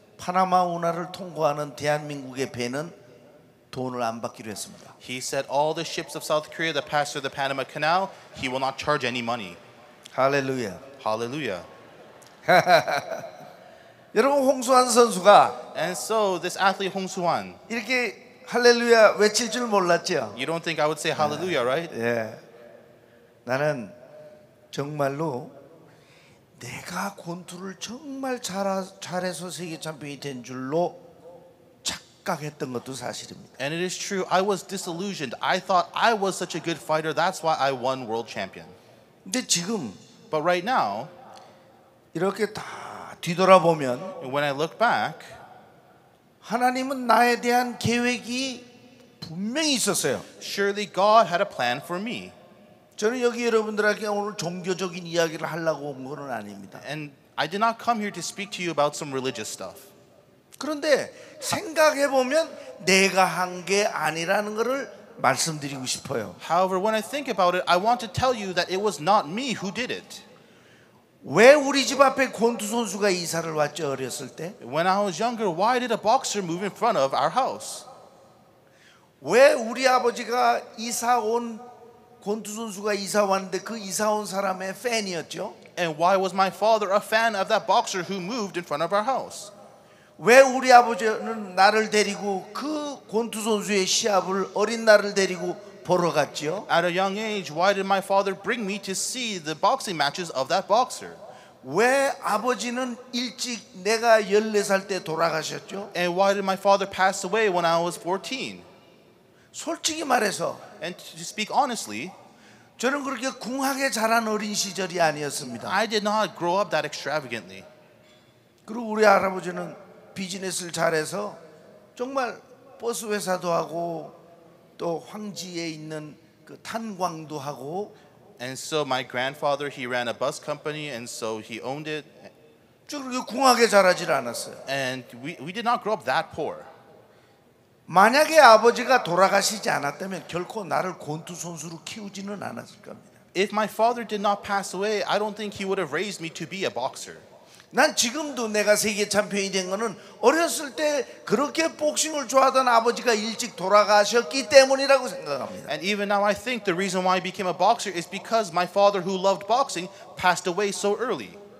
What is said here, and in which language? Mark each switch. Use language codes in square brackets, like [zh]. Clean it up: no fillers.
[ko] 파나마 운하를 통과하는 대한민국의 배는 돈을 안 받기로 했습니다. [en] He said all the ships of South Korea that pass through the Panama Canal, he will not charge any money. Hallelujah. Hallelujah. [ko] 여러분 홍수환 선수가 [en] And so this athlete Hong Su-hwan [ko] 이렇게 할렐루야 외칠 줄 몰랐죠. [en] You don't think I would say hallelujah, [ko] 예, [en] right? [ko] 예. 나는 정말로 내가 권투를 정말 잘해서 세계 챔피언이 된 줄로 착각했던 것도 사실입니다. [en] And it is true. I was disillusioned. I thought I was such a good fighter. That's why I won world champion. [ko] 근데 지금 [en] But right now [ko] 이렇게 다 뒤돌아보면 [en] When I look back [ko] 하나님은 나에 대한 계획이 분명히 있었어요. [en] Surely God had a plan for me. [ko] 저는 여기 여러분들에게 오늘 종교적인 이야기를 하려고 온 것은 아닙니다. [en] And I did not come here to speak to you about some religious stuff. [ko] 그런데 생각해 보면 내가 한 게 아니라는 것을 말씀드리고 싶어요. [en] However, when I think about it, I want to tell you that it was not me who did it. [ko] 왜 우리 집 앞에 권투 선수가 이사를 왔죠 어렸을 때? [en] When I was younger, why did a boxer move in front of our house? [ko] 왜 우리 아버지가 이사 온 권투 선수가 이사 왔는데 그 이사 온 사람의 팬이었죠? [en] And why was my father a fan of that boxer who moved in front of our house? [ko] 왜 우리 아버지는 나를 데리고 그 권투 선수의 시합을 어린 나를 데리고 보러 갔죠? [en] At a young age, why did my father bring me to see the boxing matches of that boxer? [ko] 왜 아버지는 일찍 내가 14살 때 돌아가셨죠? [en] And why did my father pass away when I was 14? [ko] 솔직히 말해서 [en] And to speak honestly, [ko] 저는 그렇게 궁하게 자란 어린 시절이 아니었습니다. [en] I did not grow up that extravagantly. [ko] 그리고 우리 할아버지는 비즈니스를 잘해서 정말 버스 회사도 하고 또 황지에 있는 그 탄광도 하고 [en] And so my grandfather he ran a bus company and so he owned it. [ko] 그렇게 궁하게 자라질 않았어요. [en] And we did not grow up that poor. [ko] 만약에 아버지가 돌아가시지 않았다면 결코 나를 권투 선수로 키우지는 않았을 겁니다. [en] If my father did not pass away, I don't think he would have raised me to be a boxer. [ko] 난 지금도 내가 세계 챔피언이 된 거는 어렸을 때 그렇게 복싱을 좋아하던 아버지가 일찍 돌아가셨기 때문이라고 생각합니다. [en] And even now I think the reason why I became a boxer is because my father who loved boxing passed away so early.